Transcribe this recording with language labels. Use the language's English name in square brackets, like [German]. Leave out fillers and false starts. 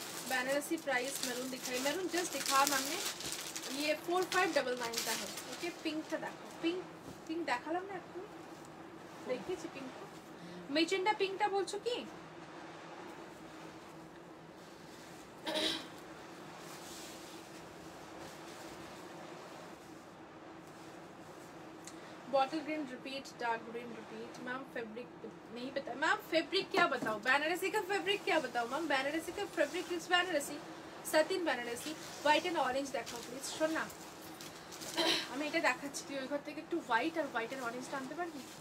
[Bangla] Banarasi price maroon দেখাই, maroon just দেখা মানে ইয়ে 4599 টা হবে। ওকে, পিঙ্কটা দেখো, পিঙ্ক পিঙ্ক দেখালাম না একটু, দেখিয়েছি পিঙ্ক, মেজেন্ডা পিঙ্কটা বলছো কি? [Hindi] Bottle green repeat, dark green repeat. Ma'am fabric नहीं पता, मैम फैब्रिक क्या बताओ, बनारसी का फैब्रिक क्या बताओ, मैम बनारसी का फैब्रिक किस Banarasi, सतीन Banarasi. White and orange देखो प्लीज, [Bangla] शोन ना हमें এটা দেখাচ্ছি, তুই ওই ঘর থেকে একটু white আর white and orange আনতে পারবি?